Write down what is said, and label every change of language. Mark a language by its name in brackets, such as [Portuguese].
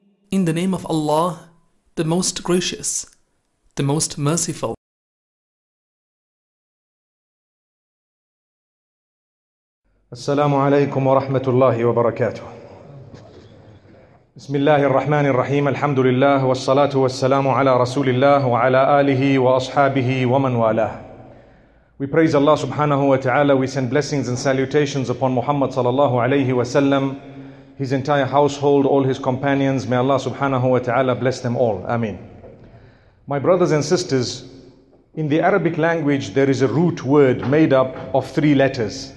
[English] In the name of Allah, the Most Gracious, the Most Merciful. [Arabic] السلام عليكم ورحمة الله وبركاته. بسم الله الرحمن الرحيم الحمد لله والصلاة والسلام على رسول الله وعلى آله وأصحابه ومن والاه. [English] We praise Allah subhanahu wa ta'ala. We send blessings and salutations upon Muhammad sallallahu alayhi wa sallam, his entire household, all his companions. May Allah subhanahu wa ta'ala bless them all. Ameen. My brothers and sisters, in the Arabic language, there is a root word made up of three letters.